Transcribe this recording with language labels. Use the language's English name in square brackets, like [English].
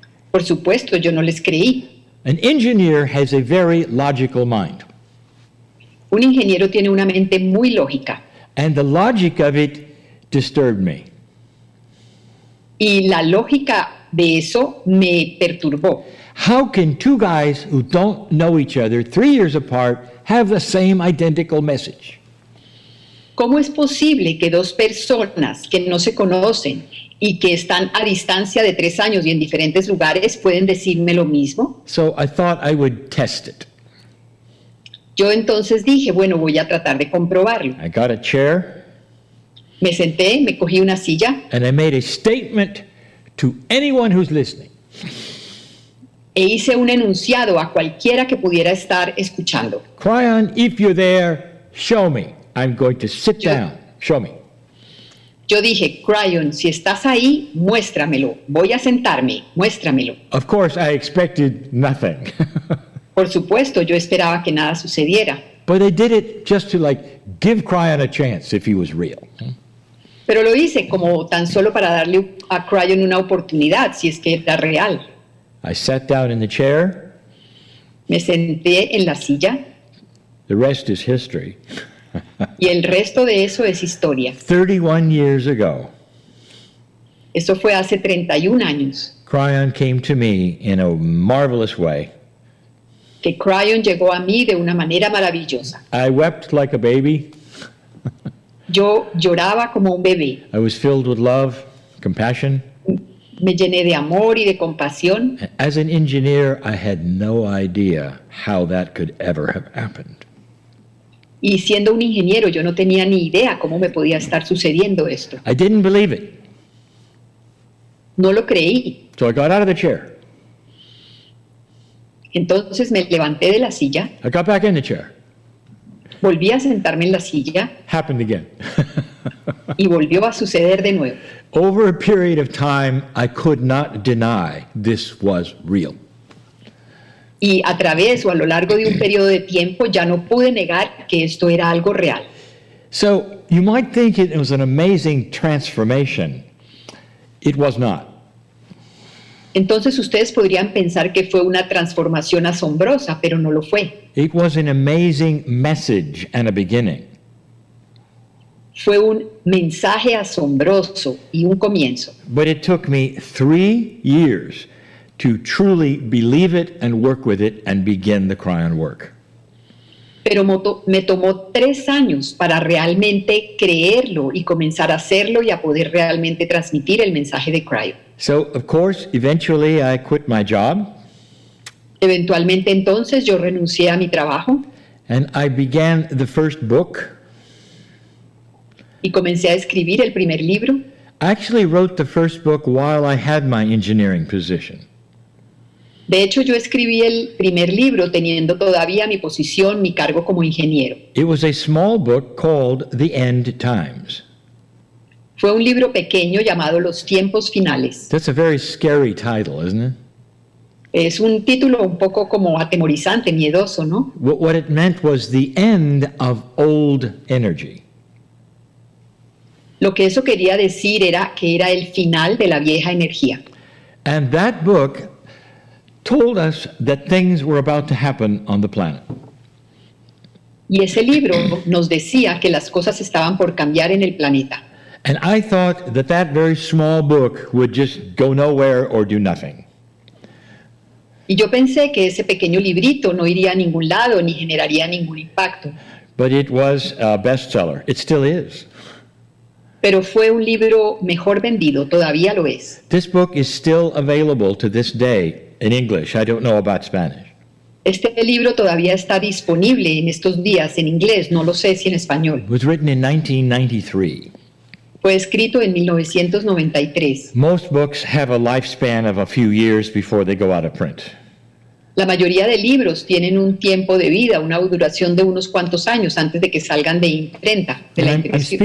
[Spanish] Por supuesto, yo no les creí. [English] An engineer has a very logical mind. [Spanish] Un ingeniero tiene una mente muy lógica. [English] And the logic of it disturbed me. [Spanish] Y la lógica de eso me perturbó. [English] How can two guys who don't know each other, 3 years apart, have the same identical message? [Spanish] ¿Cómo es posible que dos personas que no se conocen y que están a distancia de 3 años y en diferentes lugares pueden decirme lo mismo? [English] So I thought I would test it. [Spanish] Yo entonces dije, bueno, voy a tratar de comprobarlo. [English] I got a chair. [Spanish] Me senté, me cogí una silla. [English] And I made a statement to anyone who's listening. [Spanish] E hice un enunciado a cualquiera que pudiera estar escuchando. [English] Cryon, if you're there, show me. I'm going to sit down. Show me. [Spanish] Yo dije, Cryon, si estás ahí, muéstramelo. Voy a sentarme, muéstramelo. [English] Of course, I expected nothing. [Spanish] Por supuesto, yo esperaba que nada sucediera. [English] But I did it just to like give Cryon a chance if he was real. [Spanish] Pero lo hice como tan solo para darle a Cryon una oportunidad, si es que era real. [English] I sat down in the chair. [Spanish] Me senté en la silla. [English] The rest is history. [Spanish] Y el resto de eso es historia. [English] 31 years ago. [Spanish] Eso fue hace 31 años. [English] Cryon came to me in a marvelous way. [Spanish] que Cryon llegó a mí de una manera maravillosa. [English] I wept like a baby. [Spanish] Yo lloraba como un bebé. [English] I was filled with love, compassion. [Spanish] Me llené de amor y de compasión. [English] As an engineer, I had no idea how that could ever have happened. [Spanish] Y siendo un ingeniero, yo no tenía ni idea cómo me podía estar sucediendo esto. [English] I didn't believe it. [Spanish] No lo creí. [English] So I got out of the chair. [Spanish] Entonces me levanté de la silla. [English] I got back in the chair. [Spanish] Volví a sentarme en la silla. [English] Happened again. [Spanish] Y volvió a suceder de nuevo. [English] Over a period of time, I could not deny this was real. [Spanish] Y a través o a lo largo de un periodo de tiempo, ya no pude negar que esto era algo real. [English] So, you might think it was an amazing transformation. It was not. [Spanish] Entonces, ustedes podrían pensar que fue una transformación asombrosa, pero no lo fue. [English] It was an amazing message and a beginning. [Spanish] Fue un mensaje asombroso y un comienzo. [English] But it took me 3 years to truly believe it and work with it and begin the Cryon work. [Spanish] Pero me tomó 3 años para realmente creerlo y comenzar a hacerlo y a poder realmente transmitir el mensaje de Cryon. [English] So, of course, eventually I quit my job. [Spanish] Eventualmente entonces yo renuncié a mi trabajo. [English] And I began the first book. [Spanish] Y comencé a escribir el primer libro. [English] I actually wrote the first book while I had my engineering position. [Spanish] De hecho, yo escribí el primer libro teniendo todavía mi posición, mi cargo como ingeniero. [English] It was a small book called The End Times. [Spanish] Fue un libro pequeño llamado Los Tiempos Finales. [English] That's a very scary title, isn't it? [Spanish] Es un título un poco como atemorizante, miedoso, ¿no? [English] What it meant was the end of old energy. [Spanish] Lo que eso quería decir era que era el final de la vieja energía. [English] And that book told us that things were about to happen on the planet. [Spanish] Y ese libro nos decía que las cosas estaban por cambiar en el planeta. [English] And I thought that that very small book would just go nowhere or do nothing. [Spanish] Y yo pensé que ese pequeño librito no iría a ningún lado ni generaría ningún impacto. [English] But it was a bestseller. It still is. [Spanish] Pero fue un libro mejor vendido, todavía lo es. [English] This book is still available to this day in English. I don't know about Spanish. [Spanish] Este libro todavía está disponible en estos días en inglés, no lo sé si en español. [English] It was written in 1993. [Spanish] Fue escrito en 1993. [English] Most books have a lifespan of a few years before they go out of print. [Spanish] La mayoría de libros tienen un tiempo de vida, una duración de unos cuantos años antes de que salgan de imprenta, de la imprenta,